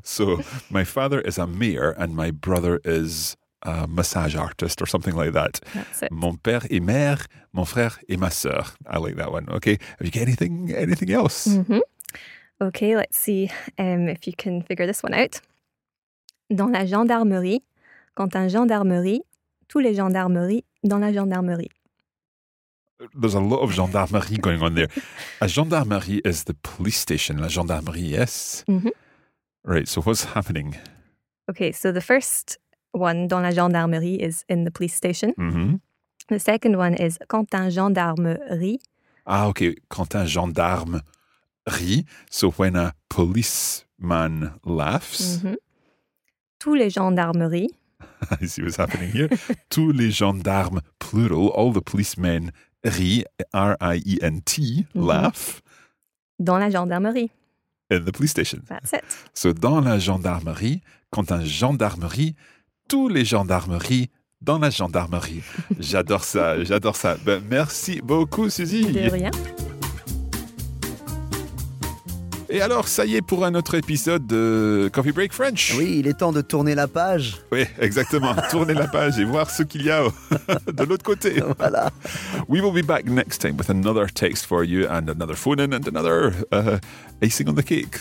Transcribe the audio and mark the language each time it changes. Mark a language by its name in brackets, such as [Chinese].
[English] So my father is a mère and my brother is a massage artist or something like that. That's it. [French] Mon père et mère, mon frère et ma sœur. [English] I like that one. Okay, have you got anything else? Mm-hmm. Okay, let's see if you can figure this one out. [French] Dans la gendarmerie, quand un gendarmerie, tous les gendarmeries dans la gendarmerie. [English] There's a lot of gendarmerie going on there. A gendarmerie is the police station, la gendarmerie, yes? Mm-hmm. Right, so what's happening? Okay, so the first one, [French] dans la gendarmerie, [English] is in the police station. Mm-hmm. The second one is [French] quand un gendarme rit. [English] Ah, okay, [French] quand un gendarme rit. [English] So when a policeman laughs. Mm-hmm. [French] Tous les gendarmes rient. [English] I see what's happening here. [French] Tous les gendarmes, [English] plural, all the policemen rient, R-I-E-N-T, mm-hmm. laugh. [French] Dans la gendarmerie. [English] In the police station. That's it. [French] So dans la gendarmerie, quand un gendarme rit, tous les gendarmes rient dans la gendarmerie. J'adore ça, j'adore ça. Ben, merci beaucoup, Suzy. De rien. Et alors, ça y est pour un autre épisode de Coffee Break French. Oui, il est temps de tourner la page. Oui, exactement. Tourner la page et voir ce qu'il y a de l'autre côté. Voilà. [English] We will be back next time with another text for you and another phone in and another icing on the cake.